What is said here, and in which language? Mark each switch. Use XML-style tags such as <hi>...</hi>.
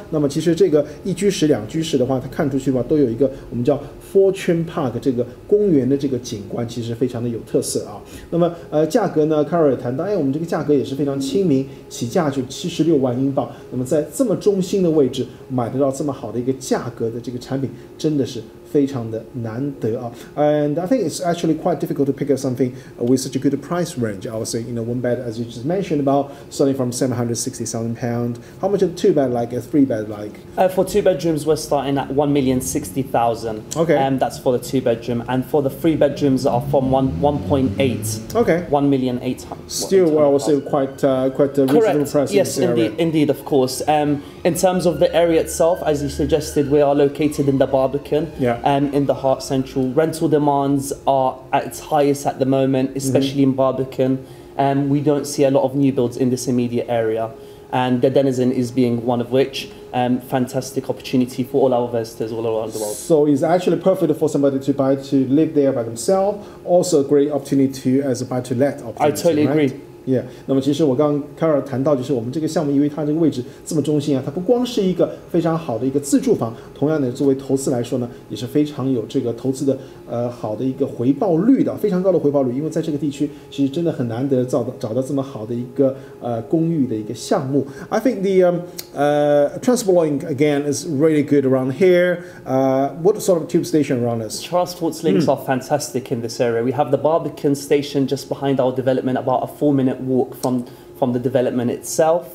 <zh>那么其实这个一居室、两居室的话，它看出去吧，都有一个我们叫 Fortune Park 这个公园的这个景观，其实非常的有特色啊。那么价格呢 ，Cara 也谈到，哎，我们这个价格也是非常亲民。起价就76万英镑，那么在这么中心的位置买得到这么好的一个价格的这个产品，真的是非常的难得啊。</zh> <en>And I think it's actually quite difficult to pick up something with such a good price range. I would say, you know, one bed, as you just mentioned about, starting from £760,000. How much are two bed like, a three bed like? For two bedrooms, we're starting at £1,060,000. Okay. That's for the two bedroom. And for the three bedrooms are from £1.8 million. Okay. £1,800,000. Still, well, I would say quite a reasonable price. Correct. Yes, indeed, of course. In terms of the area itself, as you suggested, we are located in the Barbican. In the heart central, rental demands are at its highest at the moment, especially in Barbican. We don't see a lot of new builds in this immediate area, and the Denizen is being one of which. Fantastic opportunity for all our investors all around the world. So it's actually perfect for somebody to buy to live there by themselves. Also, a great opportunity as a buy to let opportunity. I totally agree.</en> <zh>那么其实我刚刚Cara谈到，就是我们这个项目，因为它这个位置这么中心啊，它不光是一个非常好的一个自住房，同样的作为投资来说呢，也是非常有这个投资的好的一个回报率的，非常高的回报率。因为在这个地区，其实真的很难得找到这么好的一个公寓的一个项目。</zh> <en>I think the transport link again is really good around here. What sort of tube station around us? Transport links are fantastic in this area. We have the Barbican station just behind our development, about a 4-minute walk from the development itself.</en>